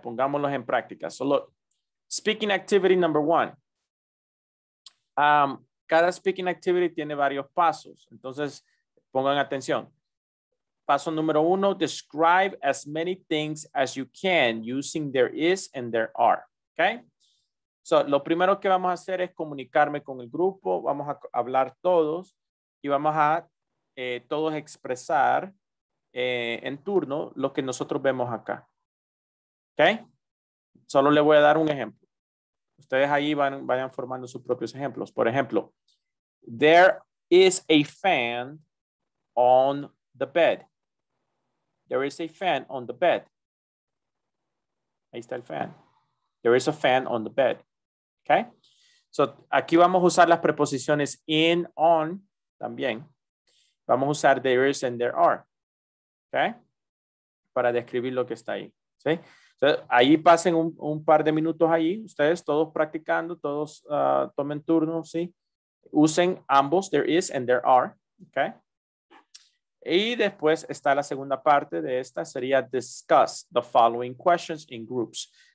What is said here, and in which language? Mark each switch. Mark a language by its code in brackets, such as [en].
[es] Pongámoslos en práctica. [en] So look. Speaking activity number one. [es] Cada speaking activity tiene varios pasos. Entonces pongan atención. Paso número uno, [en] describe as many things as you can using there is and there are, okay? [es] So, lo primero que vamos a hacer es comunicarme con el grupo, vamos a hablar todos y vamos a todos expresar en turno lo que nosotros vemos acá, okay? Solo le voy a dar un ejemplo. Ustedes ahí vayan formando sus propios ejemplos. Por ejemplo, [en] there is a fan on the bed. There is a fan on the bed. [es] Ahí está el fan. [en] There is a fan on the bed. Okay. [es] So aquí vamos a usar las preposiciones in, on, también. Vamos a usar [en] there is and there are. [es] Okay. Para describir lo que está ahí. ¿Sí? So, ahí pasen un par de minutos ahí. Ustedes todos practicando, todos tomen turno. ¿Sí? Usen ambos, [en] there is and there are. Okay. [es] Y después está la segunda parte de esta, sería [en] discuss the following questions in groups.